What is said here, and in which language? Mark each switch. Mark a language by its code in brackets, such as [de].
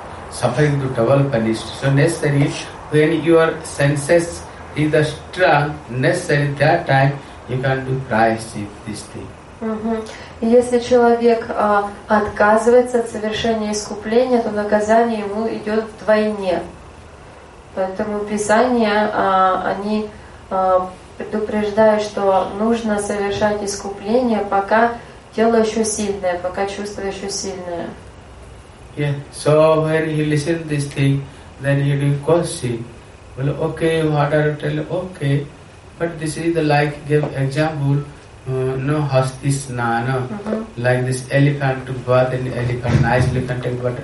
[en] Suffering to double punished. So necessary, when your senses is the strong, necessary that time you can do prayaschit this thing. Mm-hmm. [ru] Если человек отказывается от совершения искупления, то наказание ему идет вдвойне. Поэтому Писания они предупреждают, что нужно совершать искупление, пока тело еще сильное, пока чувство еще сильное. [en] Yeah. So when he listened to this thing, then he will question. Well, okay, what are you telling? Okay. But this is the like, give example, Hastisnana. Like this elephant took bath and elephant, nice elephant take bath.